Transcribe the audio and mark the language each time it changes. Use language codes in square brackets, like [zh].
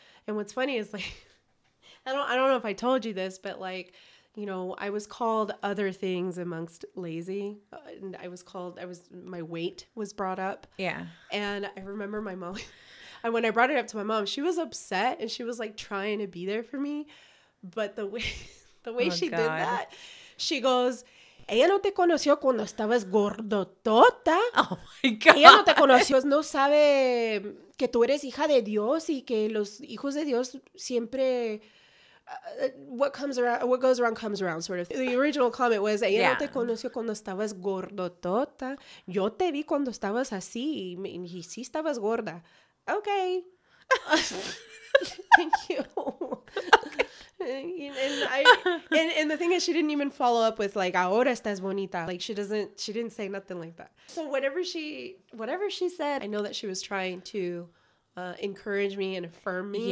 [en] And what's funny is, like, I don't know if I told you this, but, like, you know, I was called other things amongst lazy, and my weight was brought up. Yeah. And I remember my mom, and when I brought it up to my mom, she was upset and she was, like, trying to be there for me, but the way oh, she, God, did that, she goes, [es] ella no te conoció cuando estabas gordotota. [en] Oh, my God. [es] Ella no te conoció. No sabe que tú eres hija de Dios y que los hijos de Dios siempre... [en] what goes around comes around, sort of. The original comment was, [es] ella, yeah, no te conoció cuando estabas gordotota. Yo te vi cuando estabas así y sí estabas gorda. [en] Okay. Thank you. And the thing is, she didn't even follow up with, like, [es] ahora estás bonita. [en] Like, she didn't say nothing like that. So whatever she said, I know that she was trying to encourage me and affirm me.